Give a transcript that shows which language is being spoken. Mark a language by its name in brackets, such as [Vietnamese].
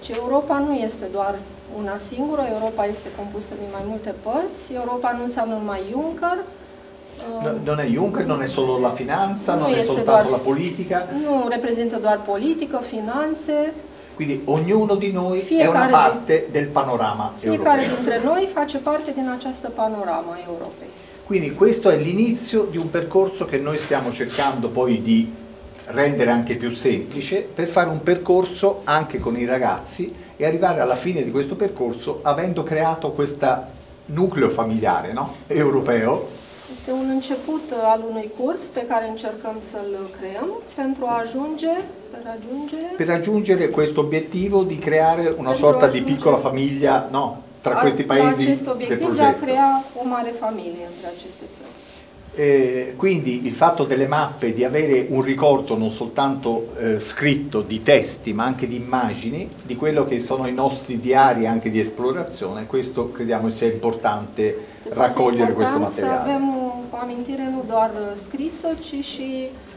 [Italian] Europa non è solo una singura, [Romanian] Europa este compusă din mai multe părți, Europa nu înseamnă numai Juncker. [Italian] Non è Juncker, non è solo la finanza, non è soltanto la politica. [Romanian] Nu reprezintă doar politică, finanțe. [Italian] Quindi ognuno di noi è una parte del panorama europeo. [Romanian] Fiecare dintre noi face parte din această panorama europei. [Italian] Quindi questo è l'inizio di un percorso che noi stiamo cercando poi di rendere anche più semplice per fare un percorso anche con i ragazzi e arrivare alla fine di questo percorso avendo creato questo nucleo familiare, no? Europeo. [Romanian] Este un început al unui curs pe care încercăm să-l creăm pentru a ajunge, [Italian] per raggiungere questo obiettivo di creare una sorta di piccola famiglia, no? Tra questi paesi del progetto. [Romanian] Acest obiectiv de a crea o mare familie între aceste țări. [Italian] Quindi il fatto delle mappe, di avere un ricordo non soltanto scritto di testi ma anche di immagini, di quello che sono i nostri diari anche di esplorazione, questo crediamo sia importante raccogliere questo materiale. [Romanian] Avem o amintire nu doar scrisă, ci și